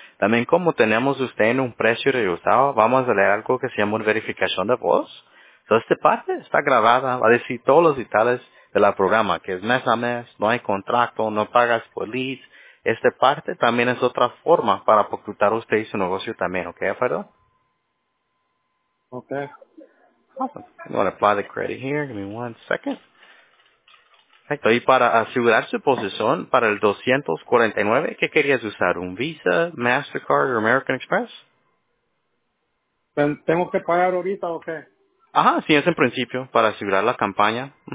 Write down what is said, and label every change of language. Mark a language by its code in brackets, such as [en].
[es] También como tenemos usted en un precio reajustado, vamos a leer algo que se llama una verificación de voz. So, esta parte está grabada, va a decir todos los detalles de la programa, que es mes a mes, no hay contrato, no pagas por leads. Esta parte también es otra forma para ocultar usted y su negocio también, ¿ok, Alfredo? Ok. [en] Awesome. I'm going to apply the credit here. Give me one second. [es] Perfecto. Y para asegurar su posición para el 249, ¿qué querías usar? ¿Un Visa, Mastercard o American Express? ¿Tengo que pagar ahorita o qué? Ajá, sí, es en principio, para asegurar la campaña.